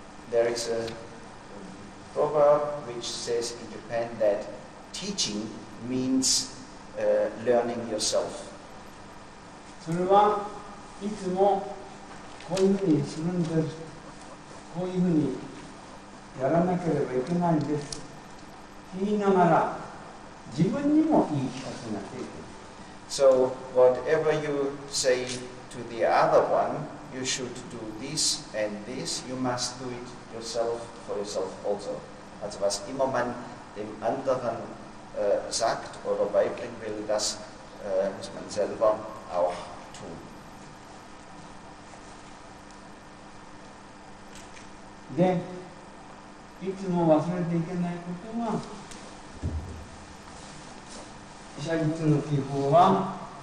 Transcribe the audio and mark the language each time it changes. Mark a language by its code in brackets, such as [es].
[en] There is a proverb which says in Japan that teaching means learning yourself. [ja] それはいつもこういうふうにするんです。こういうふうにやらなければいけないんです。言いながら自分にも言い聞かせなきゃいけない。 [en] So whatever you say to the other one, you should do this and this. You must do it yourself for yourself also. [de] Also was immer man dem anderen sagt oder beibringen will, das muss man selber auch tun. [ja] で、いつも忘れていけないことは、写実の基本は、